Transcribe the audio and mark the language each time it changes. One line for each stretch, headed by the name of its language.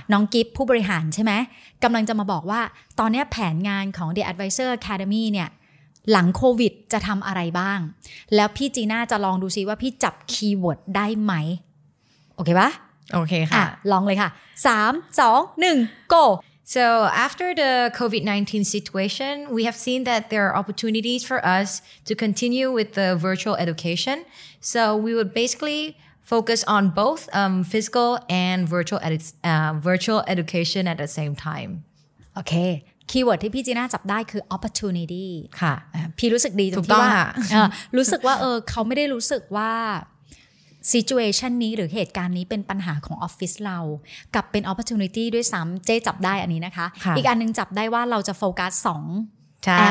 Thai: น้องกิฟต์ผู้บริหารใช่ไหมกำลังจะมาบอกว่าตอนนี้แผนงานของ The Advisor Academy เนี่ยหลังโควิดจะทำอะไรบ้างแล้วพี่จีน่าจะลองดูซิว่าพี่จับคีย์เวิร์ดได้ไหมโอเคปะ โอเคค่ะ ลองเลยค่ะ3 2 1 go
English: So after the COVID-19 situation, we have seen that there are opportunities for us to continue with the virtual education. So we would basically focus on both physical and virtual education at the same time. Okay.
Thai: คีย์เวิร์ดที่พี่จีน่าจับได้คือ opportunity ค่ะ พี่รู้สึกดีตรงที่ ว่ ารู้สึกว่าเขาไม่ได้รู้สึกว่า situation นี้หรือเหตุการณ์นี้เป็นปัญหาของออฟฟิศเรากับเป็น opportunity ด้วยซ้ำเจ๊จับได้อันนี้นะคะอีกอันนึงจับได้ว่าเราจะโฟกัส2